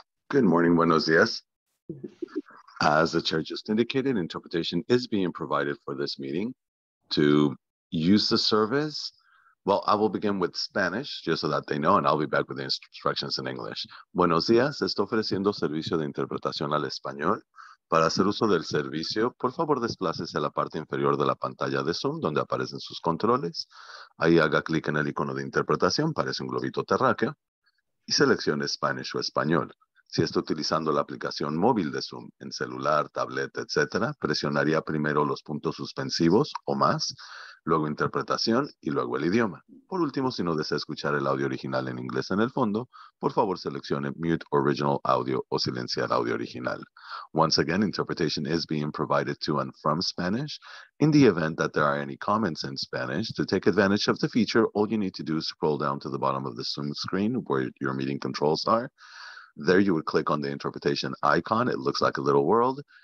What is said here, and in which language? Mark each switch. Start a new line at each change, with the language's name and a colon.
English: Good morning,
Spanish: buenos dias.
English: As the chair just indicated, interpretation is being provided for this meeting. To use the service, well, I will begin with Spanish, just so that they know, and I'll be back with the instructions in English.
Spanish: Buenos dias, estoy ofreciendo servicio de interpretación al español. Para hacer uso del servicio, por favor, desplácese a la parte inferior de la pantalla de Zoom, donde aparecen sus controles. Ahí haga clic en el icono de interpretación, parece un globito terráqueo, y seleccione Spanish o Español. Si está utilizando la aplicación móvil de Zoom, en celular, tableta, etc., presionaría primero los puntos suspensivos o más, luego interpretación y luego el idioma. Por último, si no desea escuchar el audio original en inglés en el fondo, por favor seleccione Mute Original Audio o silenciar audio original.
English: Once again, interpretation is being provided to and from Spanish. In the event that there are any comments in Spanish, to take advantage of the feature, all you need to do is scroll down to the bottom of the Zoom screen where your meeting controls are. There you would click on the interpretation icon. It looks like a little world.